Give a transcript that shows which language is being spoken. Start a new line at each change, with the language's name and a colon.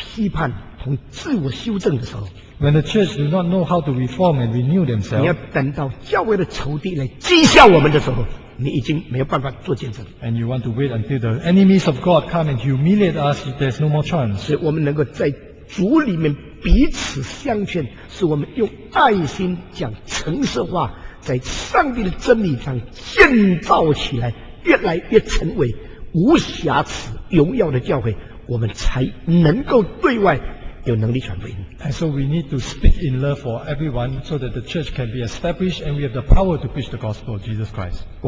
Chinese: 当教会不懂得自我检讨、批判和自我修正的时候，
English: When the church do not know how to reform and renew themselves,
Chinese: 你要等到教会的仇敌来讥笑我们的时候， 你已经没有办法做见证。
English: And you want to wait until the enemies of God come and humiliate us, there's no more chance.
Chinese: 所以我们能够在主里面彼此相劝， 使我们用爱心讲诚实话， 在上帝的真理上建造起来， 越来越成为无瑕疵荣耀的教会， 我们才能够对外
English: And so we need to speak in love for everyone so that the church can be established and we have the power to preach the gospel of Jesus Christ.